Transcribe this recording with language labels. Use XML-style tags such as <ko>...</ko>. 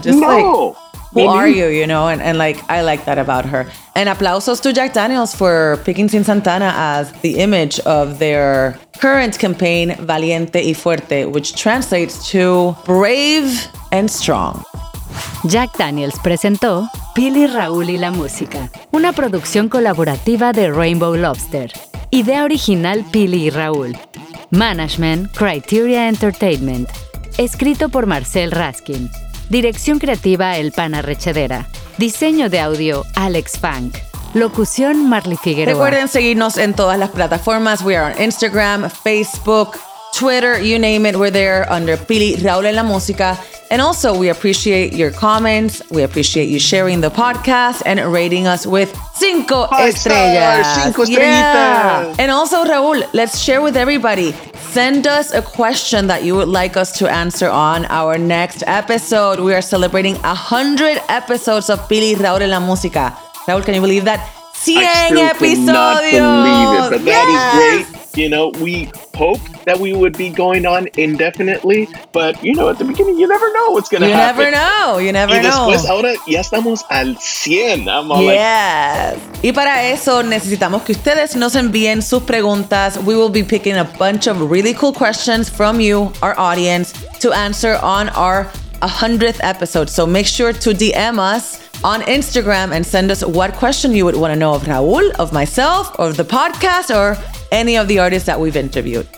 <en>Just no. Like, who are you, you know? And like, I like that about her. And aplausos to Jack Daniels for picking Sin Santana as the image of their current campaign, Valiente y Fuerte, which translates to brave and strong.</en> <es>Jack Daniels presentó Pili, Raúl y la Música, una producción colaborativa de Rainbow Lobster. Idea original Pili y Raúl. Management, Criteria Entertainment. Escrito por Marcel Raskin. Dirección creativa, Elpana Rechedera. Diseño de audio, Alex Funk. Locución, Marley Figueroa. Recuerden seguirnos en todas las plataformas.</es> <en>We are on Instagram, Facebook, Twitter, you name it, we're there under Pili Raul en la Música. And also, we appreciate your comments. We appreciate you sharing the podcast and rating us with 5 estrellas. Yeah. And also, Raul, let's share with everybody. Send us a question that you would like us to answer on our next episode. We are celebrating 100 episodes of Pili Raul en la Música. Raul, can you believe that?</en> <es>100 episodios.</es> <en>I still cannot believe it, but that is great. You know, we hoped that we would be going on indefinitely, but you know, at the beginning, you never know what's going to happen. You never know.</en> <es>Y después, ahora, ya estamos al 100.</es> <en>Yes.</en> <es>Y para eso, necesitamos que ustedes nos envíen sus preguntas.</es> <en>We will be picking a bunch of really cool questions from you, our audience, to answer on our 100th episode. So make sure to DM us on Instagram and send us what question you would want to know of Raul, of myself, or of the podcast, or any of the artists that we've interviewed.</en>